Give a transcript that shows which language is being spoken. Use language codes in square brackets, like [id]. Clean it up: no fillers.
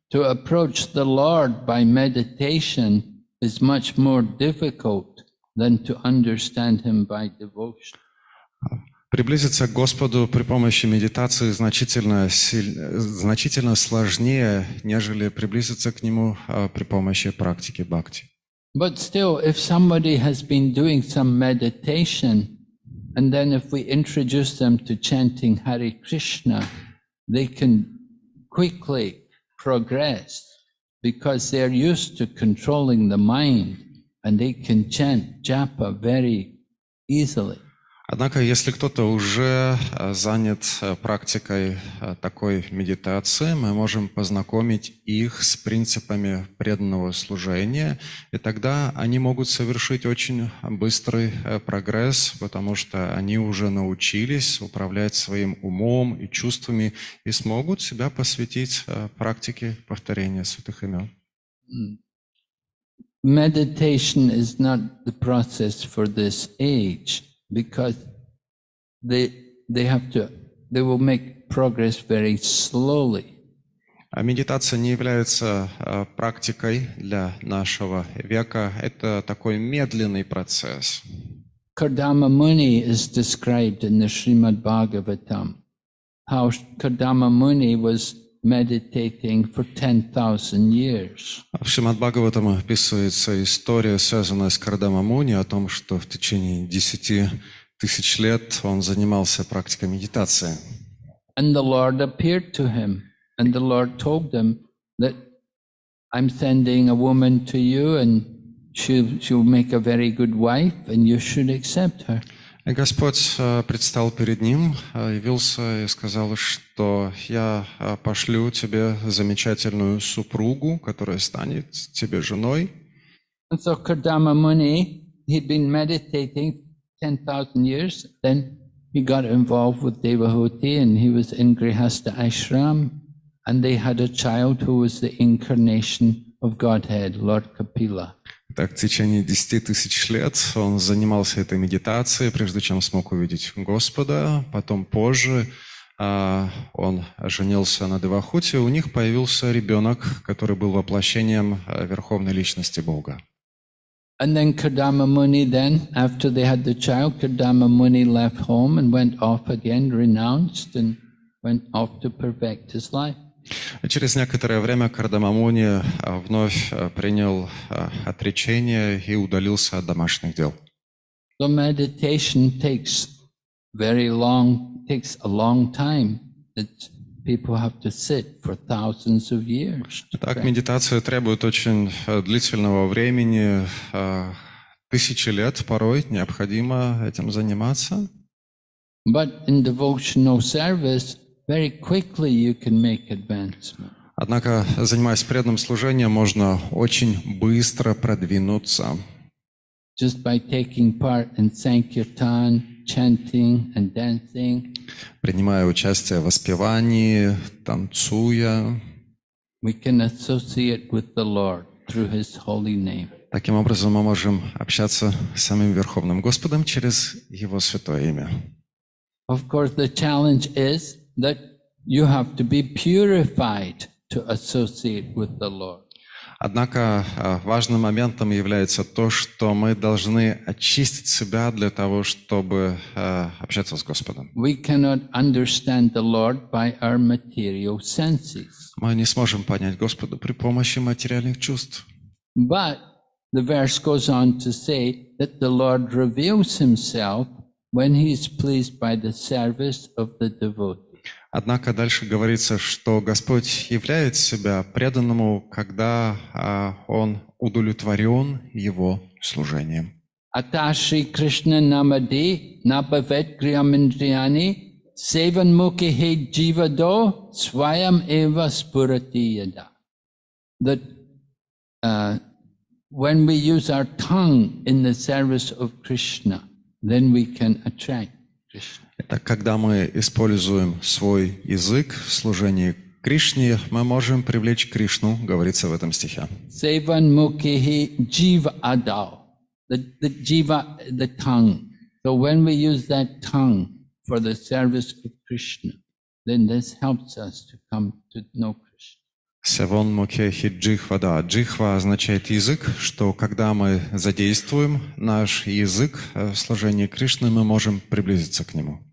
[en] To approach the Lord by meditation is much more difficult than to understand Him by devotion. [ru] Приблизиться к Господу при помощи медитации значительно сложнее, нежели приблизиться к Нему при помощи практики бхакти. [en] But still, if somebody has been doing some meditation, and then if we introduce them to chanting Hare Krishna, they can quickly progress, because they are used to controlling the mind, and they can chant japa very easily. [ru] Однако, если кто-то уже занят практикой такой медитации, мы можем познакомить их с принципами преданного служения, и тогда они могут совершить очень быстрый прогресс, потому что они уже научились управлять своим умом и чувствами и смогут себя посвятить практике повторения святых имен. [en] Meditation is not the process for this age, because they will make progress very slowly. [ru] Медитация не является практикой для нашего века. Это такой медленный процесс. [en] Kardama Muni is described in the Srimad Bhagavatam, how Kardama Muni was meditating for 10,000 years. [ru] В Шримад Бхагаватам описывается история, связанная с Кардама Муни, о том, что в течение 10 тысяч лет он занимался практикой медитации. [en] And the Lord appeared to him, and the Lord told him that I'm sending a woman to you, and she'll make a very good wife, and you should accept her. [ru] И Господь предстал перед ним, явился и сказал, что я пошлю тебе замечательную супругу, которая станет тебе женой. [en] And so Kardama Muni, he'd been meditating 10,000 years, then he got involved with Devahuti, and he was in Grihastha Ashram, and they had a child who was the incarnation of Godhead, Lord Kapila. [ru] Так, в течение 10,000 лет он занимался этой медитацией, прежде чем смог увидеть Господа. Потом позже он женился на Девахути, у них появился ребенок, который был воплощением Верховной Личности Бога. [en] And then Kardama Muni, then after they had the child, Kardama Muni left home and went off again, renounced, and went off to perfect his life. [ru] Через некоторое время Кардама Муни вновь принял отречение и удалился от домашних дел. [en] So meditation takes very long, takes a long time. People have to sit for thousands of years. [ru] Так, медитация требует очень длительного времени, тысячи лет порой необходимо этим заниматься. [en] But in devotional service, very quickly you can make advancement. [ru] Однако, занимаясь преданным служением, можно очень быстро продвинуться. [en] Just by taking part in sankirtan, chanting and dancing. [ru] Принимая участие в воспевании, танцуя. [en] We can associate with the Lord through His holy name. [ru] Таким образом, мы можем общаться с самим Верховным Господом через Его святое имя. [en] Of course, the challenge is that you have to be purified to associate with the Lord. [ru] Однако важным моментом является то, что мы должны очистить себя для того, чтобы общаться с Господом. [en] We cannot understand the Lord by our material senses. [ru] Мы не сможем понять Господа при помощи материальных чувств. [en] But the verse goes on to say that the Lord reveals himself when he is pleased by the service of the devotee. [ru] Однако дальше говорится, что Господь являет себя преданному, когда он удовлетворен его служением. [sa] Аташи Кришна Намади Набавет Криаминдриани Севан Мукихи Дживадо Свайам Эва Спурати Яда. [en] That when we use our tongue in the service of Krishna, then we can attract Krishna. [ru] Это когда мы используем свой язык в служении Кришне, мы можем привлечь Кришну, говорится в этом стихе. [sa] Севан мукихи джива адау. [en] The джива, the tongue. So when we use that tongue for the service of Krishna, then this helps us to come to know Krishna. [sa] Севан мукихи джихва, да. [ru] Джихва означает язык, что когда мы задействуем наш язык в служении Кришны, мы можем приблизиться к нему.